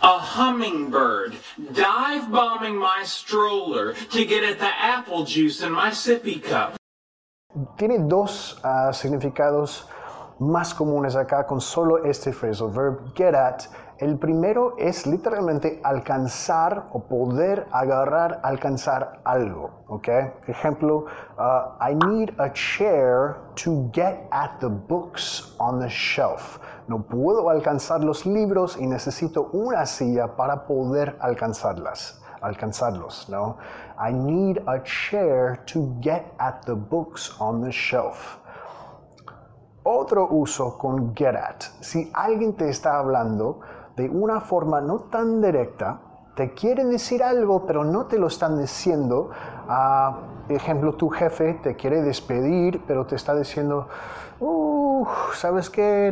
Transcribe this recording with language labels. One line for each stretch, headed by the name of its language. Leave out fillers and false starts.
English: A hummingbird dive bombing my stroller to get at the apple juice in my sippy cup.
Spanish: Tiene dos significados más comunes acá con solo este phrasal verb, get at. El primero es literalmente alcanzar o poder agarrar, alcanzar algo, ¿ok?
English: Ejemplo, I need a chair to get at the books on the shelf.
Spanish: No puedo alcanzar los libros y necesito una silla para poder alcanzarlos, ¿no?
English: I need a chair to get at the books on the shelf.
Spanish: Otro uso con get at. Si alguien te está hablando de una forma no tan directa, te quieren decir algo, pero no te lo están diciendo. Ejemplo, tu jefe te quiere despedir, pero te está diciendo, ¿sabes qué?